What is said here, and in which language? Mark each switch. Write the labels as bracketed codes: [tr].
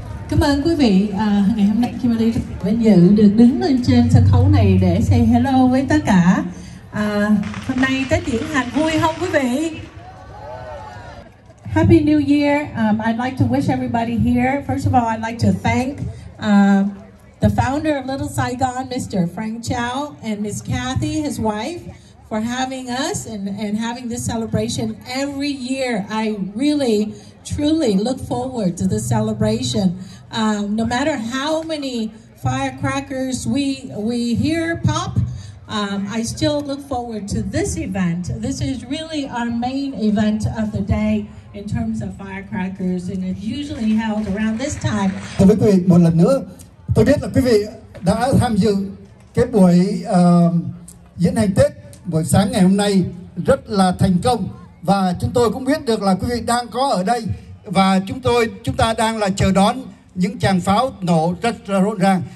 [vi] Cảm ơn quý vị ngày hôm nay Kimberly vinh dự được đứng lên trên sân khấu này để [en] say hello [vi] với tất cả. Hôm nay Tết diễn hành vui không quý vị? [en] Happy New Year. I'd like to wish everybody here. First of all, I'd like to thank the founder of Little Saigon, Mr. Frank Chow, and Miss Kathy, his wife, for having us and having this celebration every year. I really, truly look forward to this celebration. No matter how many firecrackers we hear pop, I still look forward to this event. This is really our main event of the day in terms of firecrackers, and it's usually held around this time. [vi] Thưa quý vị, một lần nữa, tôi biết là quý vị đã tham dự cái buổi diễn hành Tết buổi sáng ngày hôm nay rất là thành công, và chúng tôi cũng biết được là quý vị đang có ở đây, và chúng ta đang là chờ đón những tràng pháo nổ rất là rộn ràng.